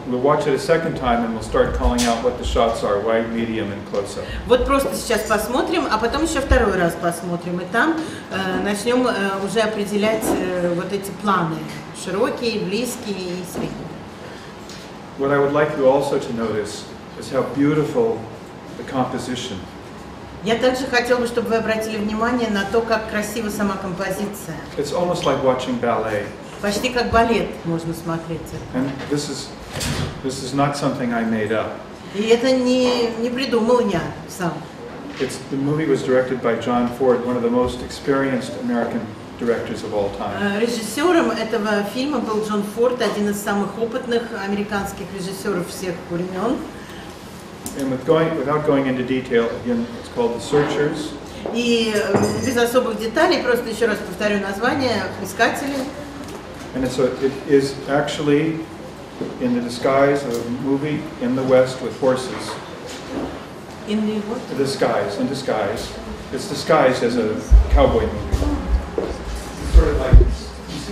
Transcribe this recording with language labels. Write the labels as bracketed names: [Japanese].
[English] We'll watch it a second time, and we'll start calling out what the shots are: wide, medium, and close up. [Russian] Вот просто сейчас посмотрим, а потом еще второй раз посмотрим, и там начнем уже определять вот эти планы: широкие, близкие и средние. [English] What I would like you also to notice is how beautiful the composition. [Russian] Я также хотел бы, чтобы вы обратили внимание на то, как красива сама композиция. [English] It's almost like watching ballet. [Russian] Почти как балет можно смотреть. [English] And this is not something I made up. [Russian] И это не придумал я сам. [English] It's the movie was directed by John Ford, one of the most experienced American directors of all time. [Russian] Режиссером этого фильма был Джон Форд, один из самых опытных американских режиссеров всех времен. [English] And without going into detail, again, it's called The Searchers. [Russian] И без особых деталей просто еще раз повторю название: Искатели. [English] And so it is actually in the disguise of a movie in the West with horses. In the what? The disguise, in disguise. It's disguised as a cowboy movie. Sort of like, you see it as like cowboys and Indians.